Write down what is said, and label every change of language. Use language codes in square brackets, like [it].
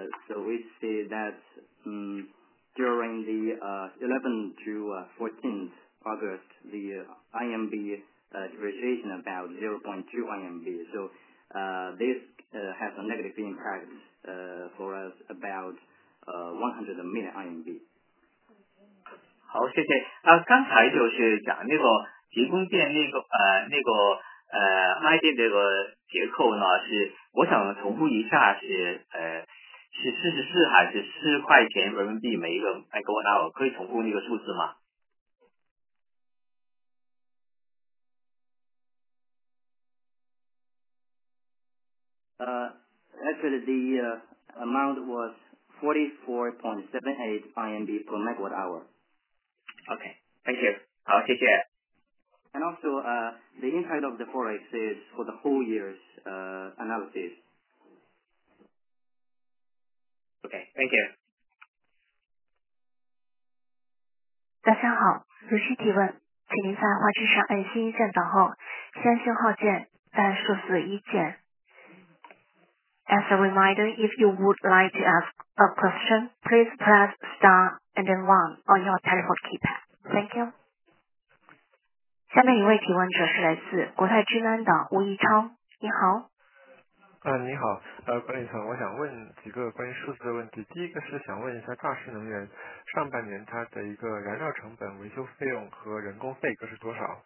[en] So we see that during the 11th to 14th August, the RMB depreciation about 0.2 RMB. So this has a negative impact for us about 100 million RMB. [zh] 好，谢谢。刚才就是讲那个集中电那个 IT 这个结构呢，是我想重复一下，是44还是4块钱人民币每一个 MWh， 可以重复那个数字吗？ [en] Actually, the amount was 44.78 RMB per megawatt hour. Okay, thank you. [zh] 好，谢谢。 [en] And also, the impact of the forex is for the whole year's analysis. Okay, thank you. [zh] 大家好，如需提问，请您在话机上按星键等候，先信号键，再数字一键。 [en] As a reminder, if you would like to ask a question, please press star and then 1 on your telephone keypad. Thank you. [zh] 下面一位提问者是来自国泰君安的吴一超，你好。你好，管理层，我想问几个关于数字的问题。第一个是想问一下大势能源上半年它的一个燃料成本、维修费用和人工费各是多少？